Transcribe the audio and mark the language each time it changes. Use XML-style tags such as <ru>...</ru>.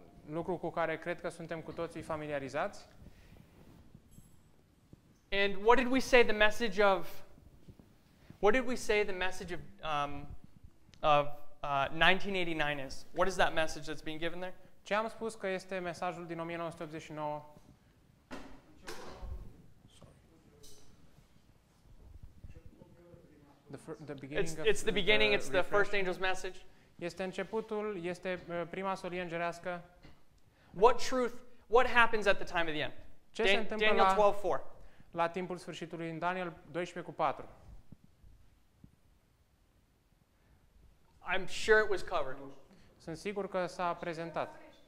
<ro>Lucru cu care cred că suntem cu toții familiarizați.</ro> <en>And what did we say the message of what did we say the message of 1989 is? What is that message that's being given there?</en> <ro>Ce am spus că este mesajul din 1989?</ro> <en>It's the beginning, it's the first angel's message.</en> <ro>Este începutul, este prima solie îngerească.</ro> <en>What truth, what happens at the time of the end?</en> <ro>Ce se întâmplă Daniel 12:4. La timpul sfârșitului, în Daniel 12:4.</ro> <en>I'm sure it was covered.</en> <ro>Sunt sigur că s-a prezentat.</ro>